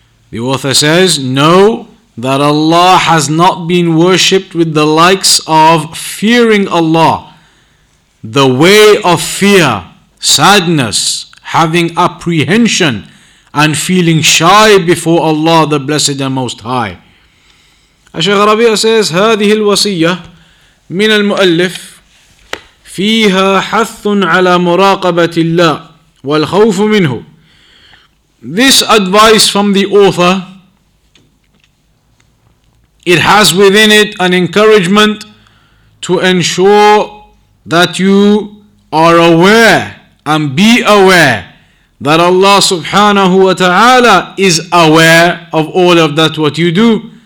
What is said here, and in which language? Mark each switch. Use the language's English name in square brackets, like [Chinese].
[English] The author says, know that Allah has not been worshipped with the likes of fearing Allah, the way of fear, sadness, having apprehension, and feeling shy before Allah, the Blessed and Most High. Ash-Shaykh Rabi'a says, [Arabic] هذه الوصية من المؤلف فيها حث على مراقبة الله والخوف منه. [English] This advice from the author, it has within it an encouragement to ensure that you are aware and be aware that Allah subhanahu wa ta'ala is aware of all of that what you do.